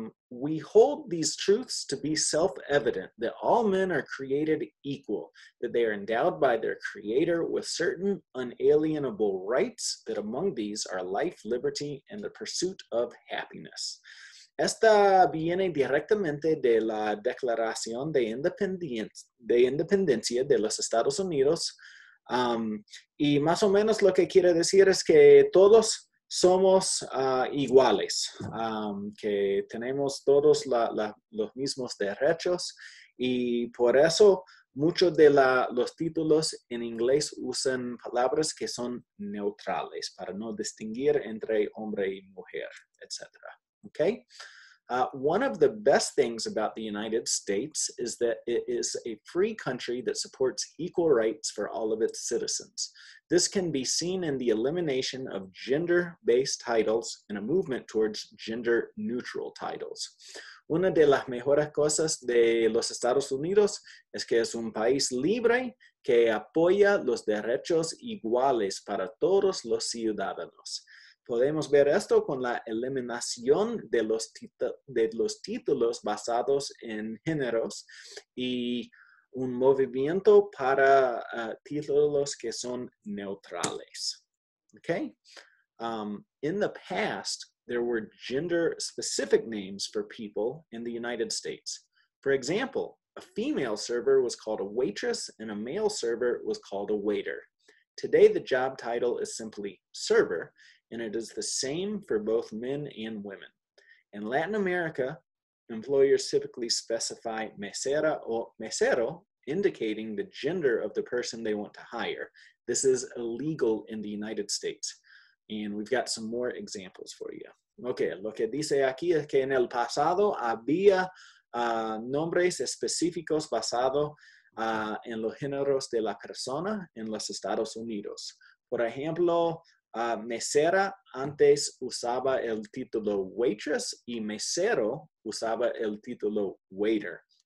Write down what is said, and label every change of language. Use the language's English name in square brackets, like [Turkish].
[English] We hold these truths to be self-evident, that all men are created equal, that they are endowed by their creator with certain unalienable rights, that among these are life, liberty, and the pursuit of happiness. [Spanish] Esta viene directamente de la Declaración de Independencia de los Estados Unidos. Y más o menos lo que quiere decir es que todos somos iguales, que tenemos todos los mismos derechos, y por eso muchos de los títulos en inglés usan palabras que son neutrales para no distinguir entre hombre y mujer, etc. [English] Okay? One of the best things about the United States is that it is a free country that supports equal rights for all of its citizens. This can be seen in the elimination of gender-based titles and a movement towards gender-neutral titles. [Spanish] Una de las mejores cosas de los Estados Unidos es que es un país libre que apoya los derechos iguales para todos los ciudadanos. Podemos ver esto con la eliminación de los títulos basados en géneros y un movimiento para títulos que son neutrales. [English] Okay? In the past, there were gender-specific names for people in the United States. For example, a female server was called a waitress and a male server was called a waiter. Today, the job title is simply server, and it is the same for both men and women. In Latin America, employers typically specify mesera or mesero, indicating the gender of the person they want to hire. This is illegal in the United States. And we've got some more examples for you. [Spanish] Okay, lo que dice aquí es que en el pasado había nombres específicos basados en los géneros de la persona en los Estados Unidos. Por ejemplo, mesera antes usaba el título waitress y mesero usaba el título waiter.